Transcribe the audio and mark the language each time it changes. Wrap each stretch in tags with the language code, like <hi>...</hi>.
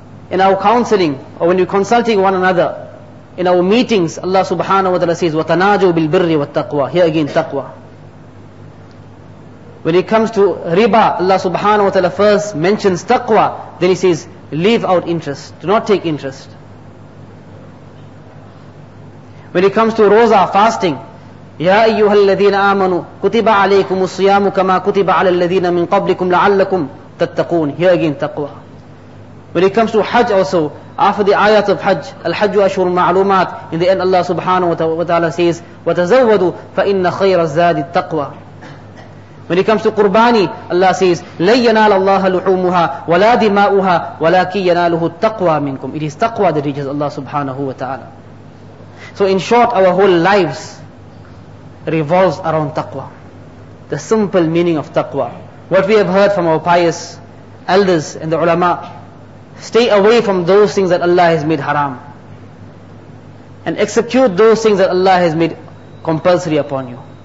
<en>In our counseling, or when we're consulting one another, in our meetings, Allah subhanahu wa ta'ala says,</en> <ar>وَتَنَاجُوا بِالْبِرِّ وَالتَّقْوَى.</ar> <en>Here again, taqwa. When it comes to riba, Allah subhanahu wa ta'ala first mentions taqwa, then He says, leave out interest, do not take interest. When it comes to roza, fasting,</en> <ar>يَا أَيُّهَا الَّذِينَ آمَنُوا كُتِبَ عَلَيْكُمُ الصِّيَامُ كَمَا كُتِبَ عَلَى الَّذِينَ مِنْ قَبْلِكُمْ لَعَلَّكُمْ تَتَّقُونَ.</ar> <en>Here again, taqwa. When it comes to hajj also, after the ayat of hajj,</en> <ar>الْحَجُّ أَشْهُرُ مَعْلُومَاتِ,</ar> <en>in the end Allah subhanahu wa ta'ala says,</en> <ar>وَتَزَوَّدُوا فَإِنَّ خَيْرَ الزَّادِ التَّقْوَى.</ar> <en>When it comes to qurbani, Allah says,</en> <ar>لَنْ يَنَالَ اللَّهَ لُحُومُهَا وَلَا دِمَاؤُهَا وَلَكِنْ يَنَالُهُ التَّقْوَى مِنْكُمْ.</ar> <en>It is taqwa that reaches Allah subhanahu wa ta'ala. So in short, our whole lives revolves around taqwa. The simple meaning of taqwa. What we have heard from our pious elders and the ulama: stay away from those things that Allah has made haram, and execute those things that Allah has made compulsory upon you.</en>